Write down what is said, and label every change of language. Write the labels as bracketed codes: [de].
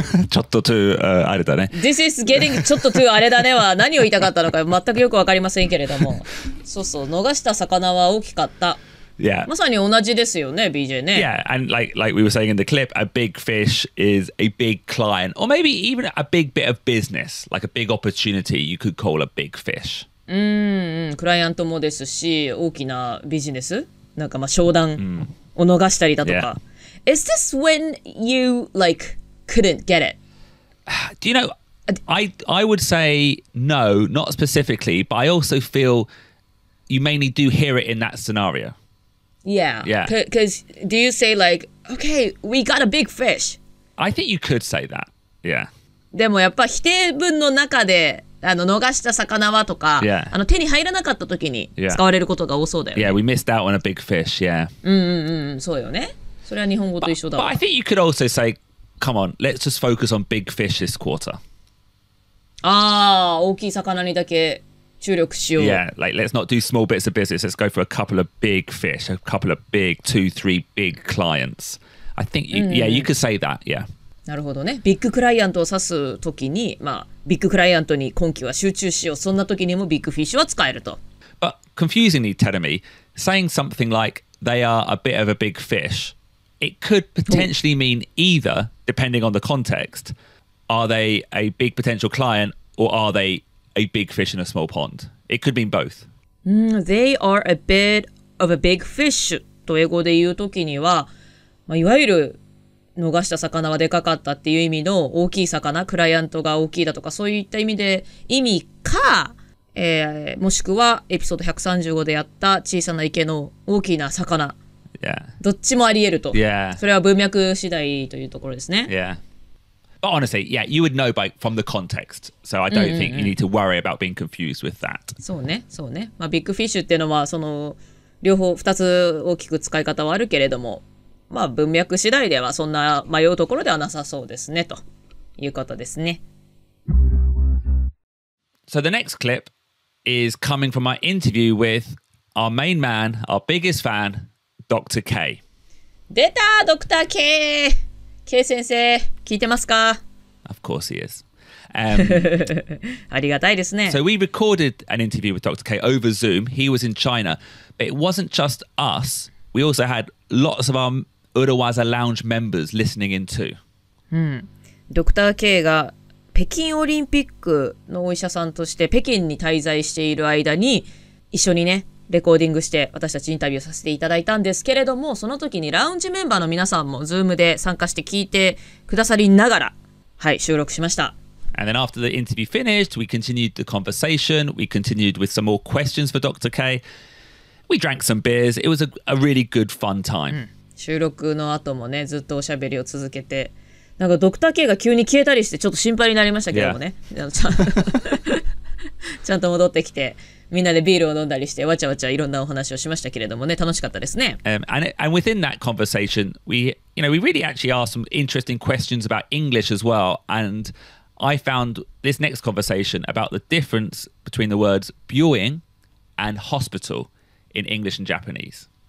[ja] ちょっと too、あれだね。 [en] This is getting [ja] ちょっと too あれだねは何を言いたかったのか全くよくわかりませんけれども。そうそう、逃した魚は大きかった。 [en] Yeah. [ja] まさに同じですよね、BJ ね。 [en] Yeah, and like we were saying in the clip, a big fish is a big client, or maybe even a big bit of business, like a big opportunity you could call a big fish. [ja] クライアントもですし、大きなビジネス、なんかまあ商談を逃したりだとか。 [en] Yeah. Is this when you like... Couldn't get it. Do you know, I would say no, not specifically, but I also feel you mainly do hear it in that scenario. Yeah. Yeah. Because do you say like, okay, we got a big fish? I think you could say that. Yeah. [ja] でもやっぱ否定文の中で逃した魚はとか、 [en] yeah. [ja] 手に入らなかった時に使われることが多そうだよね。 [en] Yeah, we missed out on a big fish, yeah. [ja] うんうんうん、そうよね。それは日本語と一緒だわ。 [en] But I think you could also say,Come on, let's just focus on big fish this quarter. [ja] Ah, 大きい魚にだけ注力しよう。 [en] Yeah, like let's not do small bits of business. Let's go for a couple of big fish, a couple of big, two, three big clients. I think, you,、mm-hmm. yeah, you could say that, yeah. [ja] なるほどね。ビッグクライアントを指すときに、まあ、ビッグクライアントに今期は集中しよう。そんなときにもビッグフィッシュは使えると。 [en] But confusingly, Tenami, saying something like they are a bit of a big fish,It could potentially mean either, depending on the context, are they a big potential client or are they a big fish in a small pond? It could mean both.、 Mm, they are a bit of a big fish. [ja] と英語で言うときには、まあ、いわゆる逃した魚はでかかったっていう意味の大きい魚、クライアントが大きいだとか、そういった意味で意味か、もしくはエピソード135でやった小さな池の大きな魚。どっちもありえると。それは文脈次第というところですね。 [en] But honestly, yeah, you would know by from the context. So I don't think you need to worry about being confused with that. [ja] そうね、そうね。まあ、ビッグフィッシュっていうのは、その、両方、二つ大きく使い方はあるけれども、まあ、文脈次第ではそんな迷うところではなさそうですね、ということですね。 [en] So the next clip is coming from my interview with our main man, our biggest fan, Dr. K. [ja] 出た、Dr. K! K 先生、聞いてますか? [en] Of course he is. [ja] ありがたいですね。 [en] So we recorded an interview with Dr. K over Zoom. He was in China. But it wasn't just us. We also had lots of our 裏技 lounge members listening in too. Dr. [ja] K が北京オリンピックのお医者さんとして北京に滞在している間に一緒にね、レコーディングして私たちインタビューさせていただいたんですけれども、その時にラウンジメンバーの皆さんも Zoom で参加して聞いてくださりながら、はい、収録しました。 [en] And then after the interview finished, we continued the conversation. We continued with some more questions for Dr. K. We drank some beers. It was a really good fun time.、 [ja] 収録の後もね、ずっとおしゃべりを続けて、なんかドクター K が急に消えたりして、ちょっと心配になりましたけどもね。ちゃんと戻ってきて。みんなでビールを飲んだりしてわちゃわちゃいろんなお話をしましたけれどもね、楽しかったですね。 [en] And within that conversation, we, you know, we really actually asked some interesting questions about English as well. And I found this next conversation about the difference between the words 病院 and hospital in English and Japanese.